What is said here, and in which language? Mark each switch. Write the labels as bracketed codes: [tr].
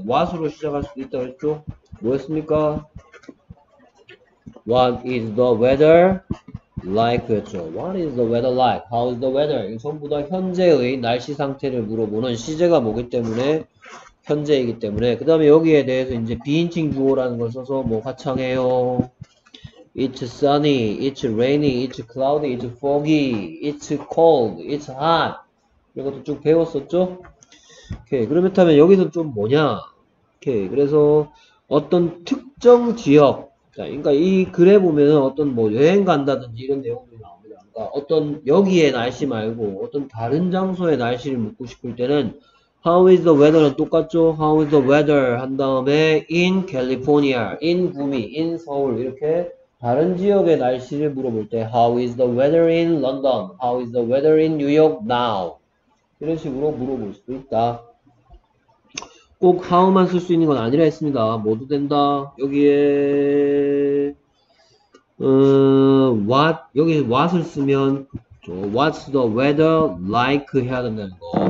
[ko] What으로 시작할 수도 있다고 했죠? 뭐였습니까? [en] What is the weather like? [ko] 였죠. [en] What is the weather like? How is the weather? [ko] 전부 다 현재의 날씨 상태를 물어보는 시제가 뭐기 때문에 현재이기 때문에 그 다음에 여기에 대해서 이제 비인칭 주어라는 걸 써서 뭐 화창해요. [en] It's sunny, it's rainy, it's cloudy, it's foggy, it's cold, it's hot. [ko] 이것도 쭉 배웠었죠? 오케이. 그러면 타면 여기서 좀 뭐냐? 오케이. 그래서 어떤 특정 지역. 자, 그러니까 이 글에 보면은 어떤 뭐 여행 간다든지 이런 내용들이 나옵니다. 그러니까 어떤 여기의 날씨 말고 어떤 다른 장소의 날씨를 묻고 싶을 때는 [en] How is the weather [ko] 는 똑같죠? How is the weather? 한 다음에 in California, in 구미, in 서울 이렇게 다른 지역의 날씨를 물어볼 때 [en] How is the weather in London? How is the weather in New York now? [ko] 이런 식으로 물어볼 수도 있다. 꼭 how만 쓸수 있는 건 아니라 했습니다. 모두 된다. 여기에 what 여기 what을 쓰면 [en] what's the weather like [ko] 해야 된다는 거.